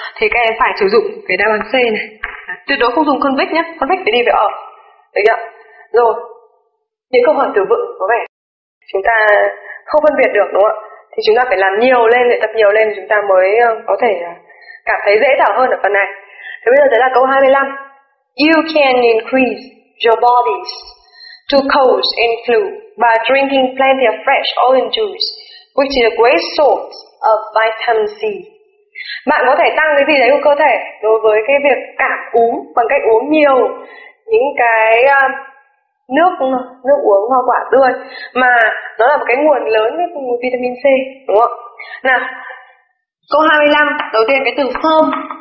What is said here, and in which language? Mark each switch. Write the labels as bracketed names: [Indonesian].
[Vietnamese] Thì các em phải sử dụng cái đáp án C này, tuyệt đối không dùng convict nhé, convict thì đi về ở đấy nhá. Rồi những câu hỏi từ vựng có vẻ chúng ta không phân biệt được, đúng không ạ, thì chúng ta phải làm nhiều lên, luyện tập nhiều lên, chúng ta mới có thể cảm thấy dễ thở hơn ở phần này. Thế bây giờ sẽ là câu 25. [English] You can increase your body's glucose intake by drinking plenty of fresh orange juice, which is a great source of vitamin C. [Vietnamese] Bạn có thể tăng cái gì đấy của cơ thể đối với cái việc cảm cúm bằng cách uống nhiều những cái nước uống hoa quả tươi, mà nó là một cái nguồn lớn với nguồn vitamin C, đúng không? Nào, câu 25, đầu tiên cái từ firm.